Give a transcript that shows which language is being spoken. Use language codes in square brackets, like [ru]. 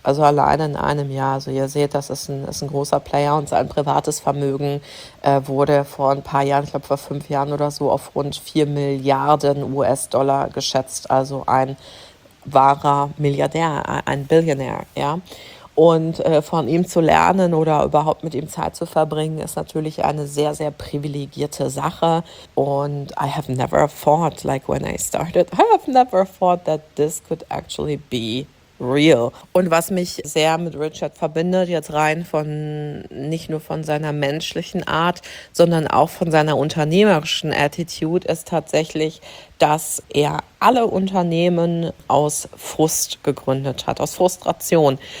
[de] Also alleine in einem Jahr. Also ihr seht, das ist ein großer Player, und sein privates Vermögen wurde vor ein paar Jahren, ich glaube vor 5 Jahren oder so, auf rund 4 Milliarden US-Dollar geschätzt. Also ein wahrer Milliardär, ein Billionär, ja. Und von ihm zu lernen oder überhaupt mit ihm Zeit zu verbringen, ist natürlich eine sehr, sehr privilegierte Sache. [en] Und I have never thought, like when I started, I have never thought that this could actually be real. [de] Und was mich sehr mit Richard verbindet, jetzt rein von nicht nur von seiner menschlichen Art, sondern auch von seiner unternehmerischen Attitude, ist tatsächlich, dass er alle Unternehmen aus Frust gegründet hat, aus Frustration,